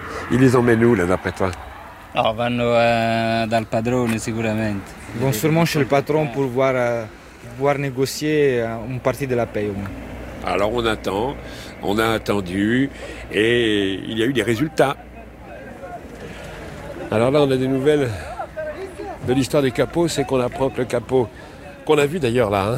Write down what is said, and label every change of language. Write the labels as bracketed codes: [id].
[fr] Ils les emmènent où, là, d'après toi? [it] Oh, vanno dal padrone, sicuramente. [fr] Ils vont sûrement chez le patron pour voir, voir négocier une partie de la paie, au moins. Alors, on attend, on a attendu, et il y a eu des résultats. Alors là, on a des nouvelles de l'histoire des capots, c'est qu'on apprend que le capot, qu'on a vu d'ailleurs là,